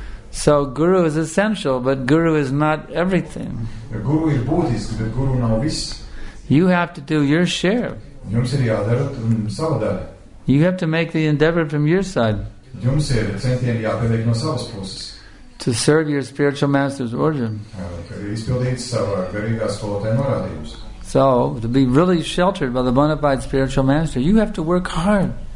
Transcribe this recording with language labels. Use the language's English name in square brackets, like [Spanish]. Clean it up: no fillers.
[English] So guru is essential, but guru is not everything. [Latvian] Guru ir būtisks, bet guru nav viss. [English] You have to do your share. [Latvian] Jums ir jādara un savu daļu. [English] You have to make the endeavor from your side. [Latvian] Jums ir centieni jāpieliek no savas puses. [English] To serve your spiritual master's order. [Latvian] Izpildīt savu garīgā skolotāja norādījumus. [English] So, to be really sheltered by the bona fide spiritual master, you have to work hard.